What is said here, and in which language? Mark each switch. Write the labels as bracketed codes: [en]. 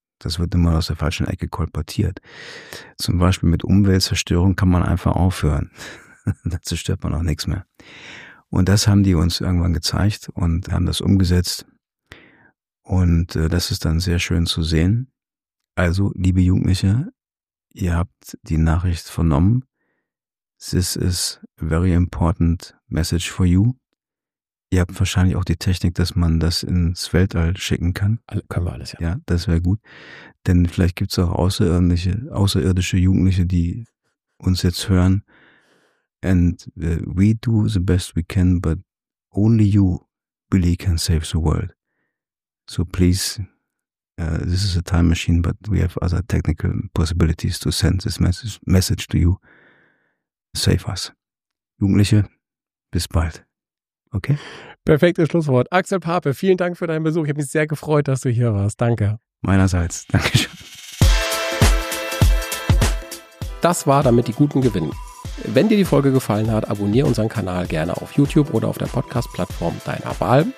[de] Das wird immer aus der falschen Ecke kolportiert. Zum Beispiel mit Umweltzerstörung kann man einfach aufhören. Da zerstört man auch nichts mehr. Und das haben die uns irgendwann gezeigt und haben das umgesetzt. Und das ist dann sehr schön zu sehen. Also, liebe Jugendliche, ihr habt die Nachricht vernommen. [en] This is a very important message for you. [de] Ihr habt wahrscheinlich auch die Technik, dass man das ins Weltall schicken kann. Können wir alles, ja. Ja, das wäre gut. Denn vielleicht gibt es auch außerirdische Jugendliche, die uns jetzt hören. [en] And we do the best we can, but only you really can save the world. So please, this is a time machine, but we have other technical possibilities to send this message to you. Save us. [de] Jugendliche, bis bald. Okay? Perfektes Schlusswort. Axel Pape, vielen Dank für deinen Besuch. Ich habe mich sehr gefreut, dass du hier warst. Danke. Meinerseits. Dankeschön. Das war Damit die Guten gewinnen. Wenn dir die Folge gefallen hat, abonniere unseren Kanal gerne auf YouTube oder auf der Podcast-Plattform deiner Wahl.